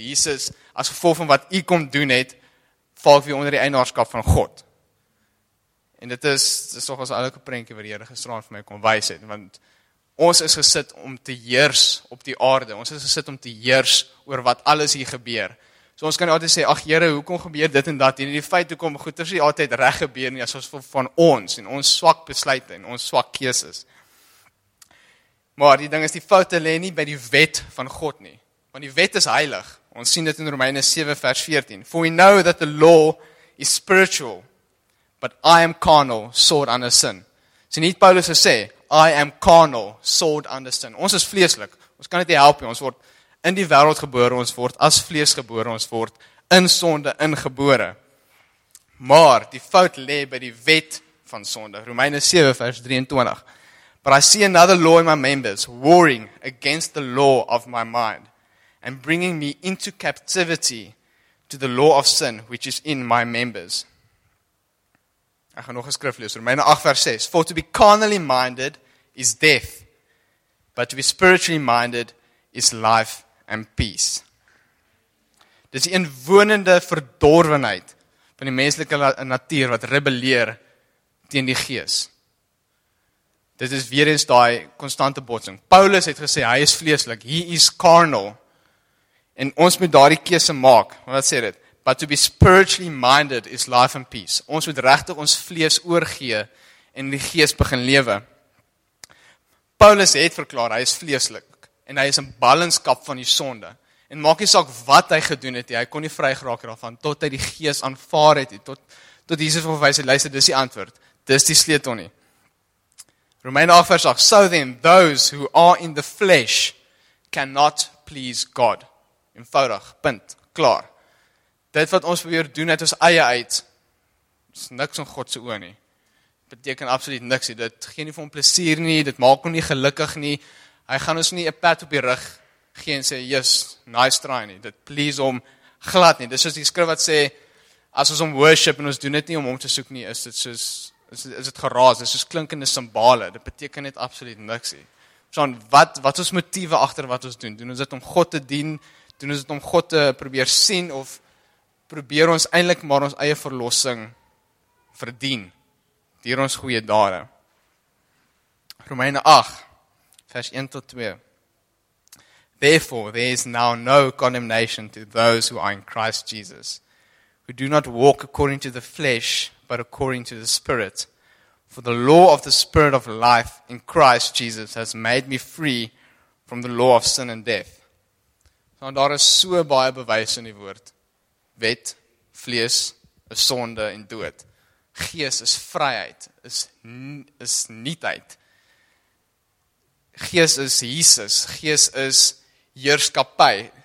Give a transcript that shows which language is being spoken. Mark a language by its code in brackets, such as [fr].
[af] Jesus, as gevolg van wat u kom doen het, val ek weer onder die eienaarskap van God. En dit is toch als elke prentjie wat die Here gisteraan vir my kom wys het, want ons is gesit om te heers op die aarde, ons is gesit om te heers oor wat alles hier gebeur. So ons kan altyd sê, ach Here, hoekom gebeur dit en dat, en die feit hoekom goed is nie altyd reg gebeur nie, as ons van ons, en ons swak besluit, en ons swak keuses. Maar die ding is, die foute lê nie by die wet van God nie, want die wet is heilig, ons sien dit in Romeine 7 vers 14, [en] for we know that the law is spiritual, but I am carnal, sold under sin. [af] So nie Paulus gesê, [en] I am carnal, sold under sin. [af] Ons is vleeslik, ons kan dit nie help nie, ons word in die wêreld gebore, ons word as vlees gebore, ons word in sonde ingebore. Maar die fout lê by die wet van sonde. Romeine 7 vers 23. [en] But I see another law in my members, warring against the law of my mind, and bringing me into captivity to the law of sin, which is in my members. [af] Ek gaan nog 'n skrif lees, Romeine 8 vers 6. [en] For to be carnally minded is death, but to be spiritually minded is life and peace. [af] Dit is die inwonende verdorwenheid van die menslike natuur wat rebelleer teen die gees. Dit is weer eens daai konstante botsing. Paulus het gesê, hy is vleeslik, [en] he is carnal, [af] en ons moet daardie keuse maak, wat sê dit? [en] But to be spiritually minded is life and peace. [af] Ons moet regtig ons vlees oorgee en die gees begin lewe. Paulus het verklaar, hy is vleeslik, en hy is in ballingskap van die sonde, en maak nie saak wat hy gedoen het, hy kon nie vry geraak daarvan, tot hy die gees aanvaar het, tot Jesus van wys het, luister, dis die antwoord, dis die sleutel nie. Romeine 8 vers 8, [en] so then, those who are in the flesh, cannot please God. [af] Eenvoudig, punt, klaar. Dit wat ons probeer doen uit ons eie uit, is niks in Godse oë nie, beteken absoluut niks nie, dit gee nie vir hom plesier nie, dit maak hom nie gelukkig nie, hy gaan ons nie 'n pat op die rug gee en sê, [en] yes, nice try [af] nie, dit please om glad nie. Dit is soos die skrif wat sê, as ons om worship en ons doen dit nie om hom te soek nie, is dit geraas, dit is soos klinkende simbale, dit beteken net absoluut niks nie. So, wat ons motive achter wat ons doen? Doen ons dit om God te dien? Doen ons dit om God te probeer sien? Of probeer ons eindelijk maar ons eie verlossing verdien? Dier ons goeie dade. Romeine 8 vers 1 tot 2. [en] Therefore, there is now no condemnation to those who are in Christ Jesus, who do not walk according to the flesh, but according to the Spirit. For the law of the Spirit of life in Christ Jesus has made me free from the law of sin and death. [af] Nou, daar is so baie bewys in die woord. Wet, vlees, is sonde en dood. Gees is vryheid, is nietheid. Gees is Jesus, Gees is heerskappy.